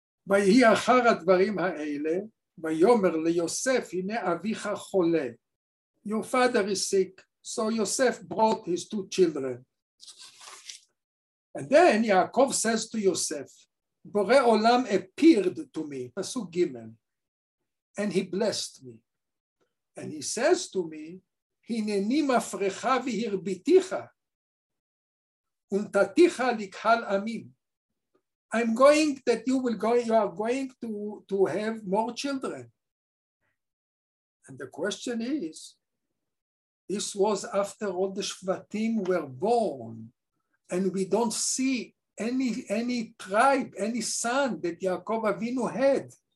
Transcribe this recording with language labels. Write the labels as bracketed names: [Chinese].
[Hebrew] ויהי אחר הדברים האלה, ויאמר ליוסף, הנה אביך חולה. [English] Your father is sick, so Yosef brought his two children. And then Yaakov says to Yosef, Borei Olam appeared to me, Pasuk Gimel, and he blessed me. And he says to me, [Hebrew] הנני מפרך והרביתך, ונתתך לקהל עמים. [English] I'm going that you will go, you are going to have more children. And the question is, this was after all the Shvatim were born, and we don't see any tribe, any son that Yaakov Avinu had.